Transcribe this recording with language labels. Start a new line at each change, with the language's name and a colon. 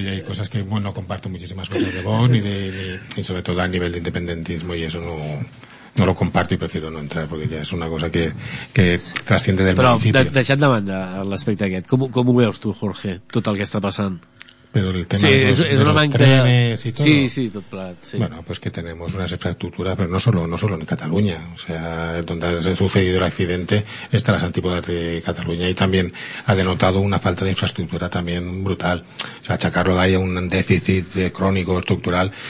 Spanish: y hay cosas que, bueno, comparto muchísimas cosas de Vox y sobre todo a nivel de independentismo, y eso no lo comparto y prefiero no entrar porque ya es una cosa que trasciende del municipio.
Catalan: Però, deixant de banda l'aspecte aquest, com ho veus tu, Jorge, tot el que està passant?
Spanish: Pero el tema de los trenes y todo. Sí, todo plat, sí. Bueno, pues que tenemos unas infraestructuras, pero no solo en Cataluña. O sea, donde ha sucedido el accidente, está las antípodas de Cataluña, y también ha denotado una falta de infraestructura también brutal. O sea, achacarlo de ahí a un déficit crónico estructural.